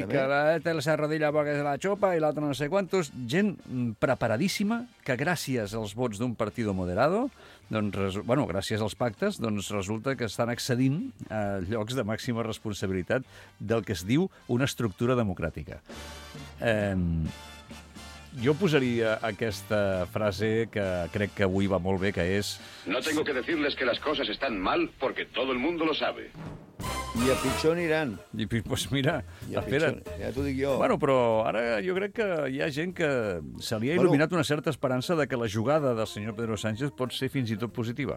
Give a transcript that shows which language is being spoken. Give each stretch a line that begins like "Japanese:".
Catalan: i que té la serradilla perquè és la xopa i l'altra no sé quantos, gent preparadíssima que gràcies als vots d'un
Spanish: partido moderado,
Catalan: gràcies als pactes, doncs resulta que estan accedint a llocs de màxima responsabilitat del que es diu una estructura democràtica. Jo posaria aquesta frase que crec que avui va molt bé, que és...
Spanish: No tengo que decirles que las cosas están mal porque todo el mundo lo sabe.
Catalan: I a pitjor aniran. I, pues mira, I a espera't. Ja t'ho dic jo. Bueno, però ara jo crec que hi ha gent que se li ha il·luminat una certa esperança de que la jugada del senyor Pedro Sánchez pot ser fins i tot positiva.